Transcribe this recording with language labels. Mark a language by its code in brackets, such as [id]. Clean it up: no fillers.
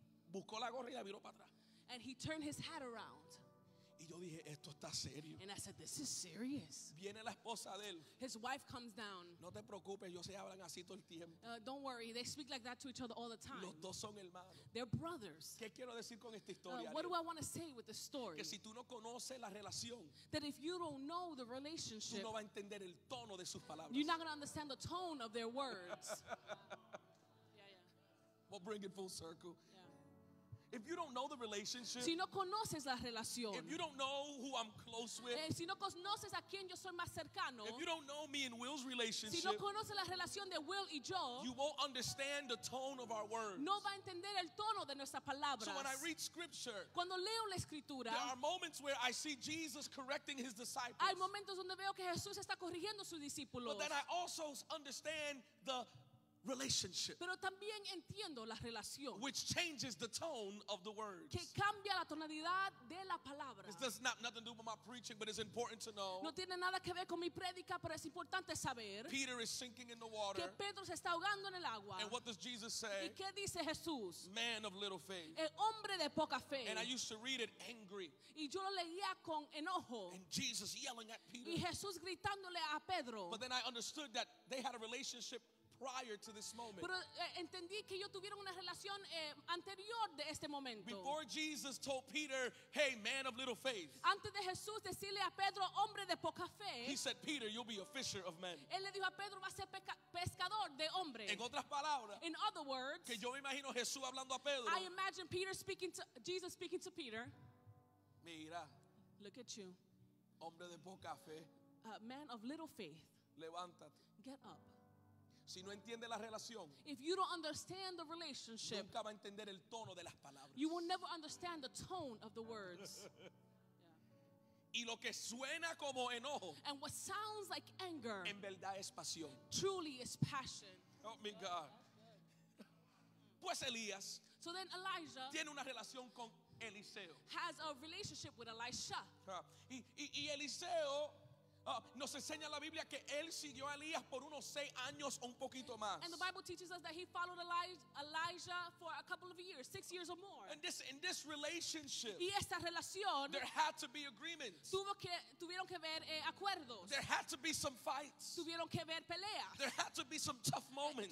[es] Buscó la gorra y la miró para atrás. [en] And he turned his hat around. [es] Y yo dije, esto está serio. [en] And I said, this is serious. [es] Viene la esposa de él. [en] His wife comes down. [es] No te preocupes, ellos se hablan así todo el tiempo. [en] Don't worry, they speak like that to each other all the time. [es] Los dos son hermanos. [en] They're brothers. [es] ¿Qué quiero decir con esta historia? [en] What do I want to say with the story? [es] Que si tú no conoces la relación, [en] that if you don't know the relationship, [es] tú no vas a entender el tono de sus palabras. [en] You're not going to understand the tone of their words. Yeah, yeah. We'll bring it full circle. If you don't know the relationship, [es] si no conoces la relación, [en] if you don't know who I'm close with, [es] si no conoces a quien yo soy más cercano, [en] if you don't know me and Will's relationship, [es] si no conoces la relación de Will y yo, [en] you won't understand the tone of our words. [es] No va a entender el tono de nuestras palabras. [en] So when I read scripture, [es] cuando leo la escritura, [en] there are moments where I see Jesus correcting his disciples. [es] Hay momentos donde veo que Jesús está corrigiendo sus discípulos. [en] But then I also understand the relationship, [es] pero también entiendo la relación, [en] which changes the tone of the words, [es] que cambia la tonalidad de la palabra. [en] This does not nothing to do with my preaching, but it's important to know. [es] No tiene nada que ver con mi prédica, pero es importante saber. [en] Peter is sinking in the water. [es] Que Pedro se está ahogando en el agua. [en] And what does Jesus say? [es] ¿Y qué dice Jesús? [en] Man of little faith. [es] El hombre de poca fe. [en] And I used to read it angry. [es] Y yo lo leía con enojo. [en] And Jesus yelling at Peter. [es] Y Jesús gritándole a Pedro. [en] But then I understood that they had a relationship prior to this moment. [es] Pero entendí que ellos tuvieron una relación anterior de este momento. [en] Before Jesus told Peter, "Hey, man of little faith." [es] Antes de Jesús decirle a Pedro, hombre de poca fe. [en] He said, "Peter, you'll be a fisher of men." [es] Él le dijo a Pedro, va a ser pescador de hombres. En otras palabras. [en] In other words. [es] Que yo me imagino Jesús hablando a Pedro. [en] I imagine Peter speaking to Jesus speaking to Peter. [es] Mira. [en] Look at you. [es] Hombre de poca fe. [en] Man of little faith. [es] Levántate. [en] Get up. [es] Si no entiende la relación, [en] if you don't understand the relationship, [es] nunca va a entender el tono de las palabras. [en] You will never understand the tone of the words. [es] Yeah. Y lo que suena como enojo, [en] and what sounds like anger, [es] en verdad es pasión. [en] Truly is passion. Help me, God. [es] Pues Elías, [en] so then Elijah, [es] tiene una relación con Eliseo. [en] Has a relationship with Elisha. [es] Y Eliseo. Nos enseña la Biblia que él siguió a Elías por unos 6 años o un poquito más. [en] And the Bible teaches us that he followed Elijah for a couple of years, 6 years or more. And in this relationship, [es] y esta relación, [en] there had to be agreements. [es] Tuvieron que ver acuerdos. [en] There had to be some fights. [es] Tuvieron que ver peleas. [en] There had to be some tough moments.